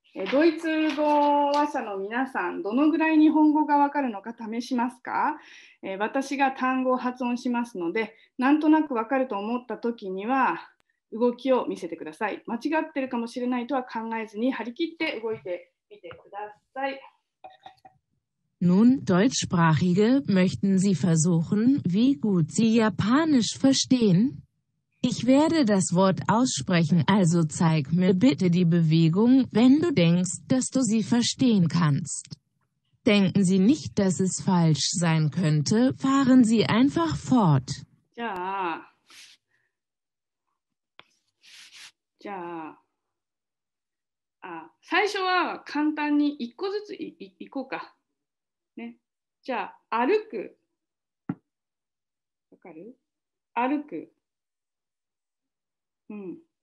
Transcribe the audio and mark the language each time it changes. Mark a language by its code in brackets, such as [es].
[ja] ドイツ語話者の皆さん、どのぐらい日本語がわかるのか試しますか？私が単語を発音しますので、なんとなくわかると思ったときには、動きを見せてください。間違ってるかもしれないとは考えずに張り切って動いてみてください。 [de] Nun, Deutschsprachige, möchten Sie versuchen, wie gut Sie Japanisch verstehen? Ich werde das Wort aussprechen, also zeig mir bitte die Bewegung, wenn du denkst, dass du sie verstehen kannst. Denken Sie nicht, dass es falsch sein könnte, fahren Sie einfach fort. Ja. [ja] じゃあ、最初は簡単に一個ずつ行こうか、ね。じゃあ、歩く。わかる？歩く。うん。